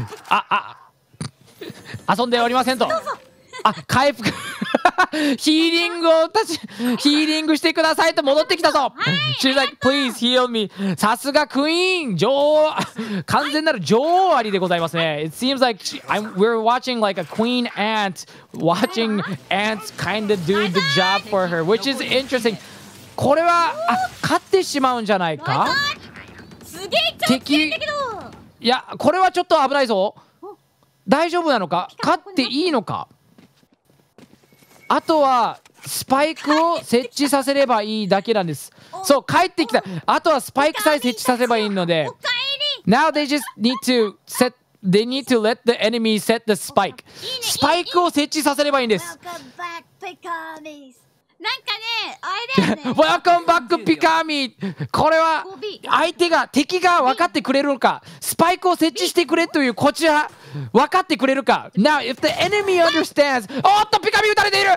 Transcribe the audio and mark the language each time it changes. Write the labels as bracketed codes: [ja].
[ja] ああ、遊んでおりませんと。あ、回復ヒーリングを立ちヒーリングしてくださいと戻ってきたぞ。 [en] She's like, please heal me. [ja] さすがクイーン、女王、完全なる女王アリでございますね。 [en] It seems like we're watching like a queen ant watching ants kind of do the job for her, which is interesting. [ja] これは、あ、勝ってしまうんじゃないか。すげえ強いんだけど。いや、これはちょっと危ないぞ。大丈夫なのか、勝っていいのか。あとはスパイクを設置させればいいだけなんです。そう、帰ってきた。あとはスパイクさえ設置させればいいので、おかえり。 [en] Now they just need to set they need to let the enemy set the spike. [ja] スパイクを設置させればいいんです。 [en] Welcome back, Pikamee. [ja] なんかね、あれだよね。 [en] Welcome back, Pikamee. [ja] これは相手が、敵が分かってくれるのか、スパイクを設置してくれというこちら分かってくれるか。 [en] Now if the enemy understands、 [ja] おっとピカミー撃たれている。